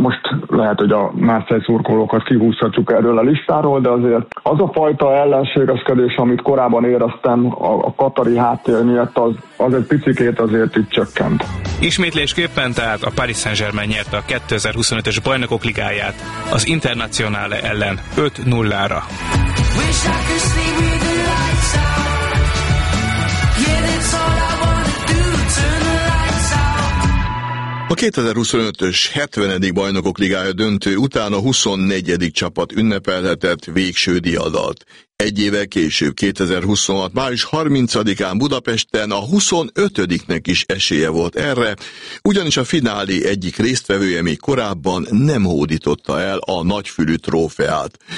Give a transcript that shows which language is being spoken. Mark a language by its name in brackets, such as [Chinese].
[Hungarian] Most lehet, hogy a Marseille szurkolókat kihúzhatjuk erről a listáról, de azért az a fajta ellenségeskedés, amit korábban éreztem a katari háttér miatt, az egy picikét azért itt csökkent. Ismétlésképpen tehát a Paris Saint-Germain nyerte a 2025-ös Bajnokok Ligáját az Internazionale ellen 5-0-ra. [English] Wish I could sleep with the lights out. Yeah, that's all I wanna do, turn the lights out. [Hungarian] A 2025-ös 70. Bajnokok Ligája döntő után a 24. csapat ünnepelhetett végső diadalt. Egy éve később, 2026. május 30-án Budapesten a 25-nek is esélye volt erre, ugyanis a finálé egyik résztvevője még korábban nem hódította el a nagyfülű trófeát.